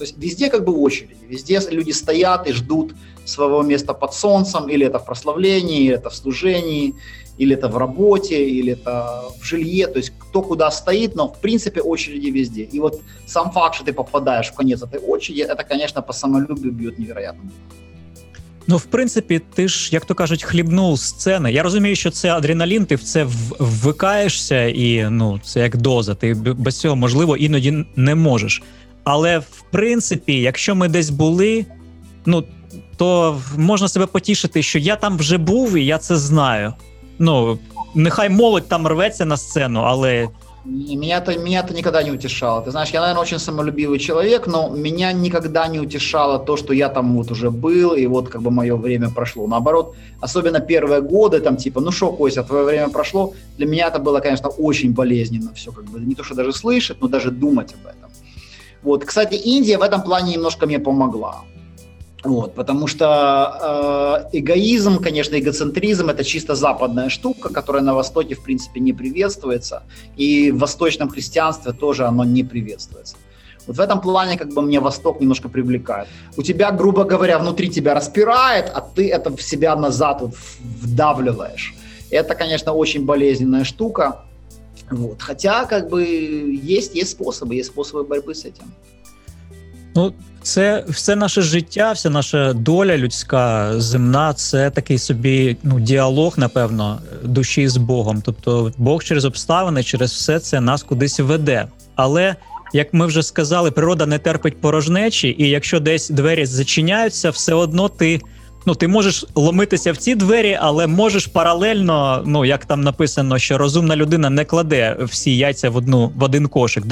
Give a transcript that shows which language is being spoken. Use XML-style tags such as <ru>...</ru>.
<ru>То есть везде как бы очереди, везде люди стоят и ждут своего места под солнцем, или это в прославлении, или это в служении, или это в работе, или это в жилье, то есть кто куда стоит, но в принципе очереди везде. И вот сам факт, что ты попадаешь в конец этой очереди, это, конечно, по самолюбию бьет невероятно.</ru> <uk>Ну, в принципі, ти ж, як то кажуть, хлібнув сцени. Я розумію, що це адреналін, ти в це ввикаєшся, і ну, це як доза. Ти без цього, можливо, іноді не можеш. Але в принципі, якщо ми десь були, ну то можна себе потішити, що я там вже був і я це знаю. Ну, нехай молодь там рветься на сцену, але.</uk> <ru>Меня-то никогда не утешало. Ты знаешь, я, наверное, очень самолюбивый человек, но меня никогда не утешало то, что я там вот уже был, и вот как бы мое время прошло. Наоборот, особенно первые годы, там типа, ну шо, Кося, твое время прошло, для меня это было, конечно, очень болезненно все, как бы, не то, что даже слышать, но даже думать об этом. Вот, кстати, Индия в этом плане немножко мне помогла. Вот, потому что эгоизм, конечно, эгоцентризм – это чисто западная штука, которая на Востоке, в принципе, не приветствуется. И в восточном христианстве тоже оно не приветствуется. Вот в этом плане как бы мне Восток немножко привлекает. У тебя, грубо говоря, внутри тебя распирает, а ты это в себя назад вот вдавливаешь. Это, конечно, очень болезненная штука. Вот. Хотя как бы есть способы борьбы с этим.</ru> <uk>Ну, це все наше життя, вся наша доля людська, земна, це такий собі, ну, діалог, напевно, душі з Богом. Тобто Бог через обставини, через все це нас кудись веде. Але, як ми вже сказали, природа не терпить порожнечі, і якщо десь двері зачиняються, все одно ти, ну, ти можеш ломитися в ці двері, але можеш паралельно, ну, як там написано, що розумна людина не кладе всі яйця в один кошик.</uk>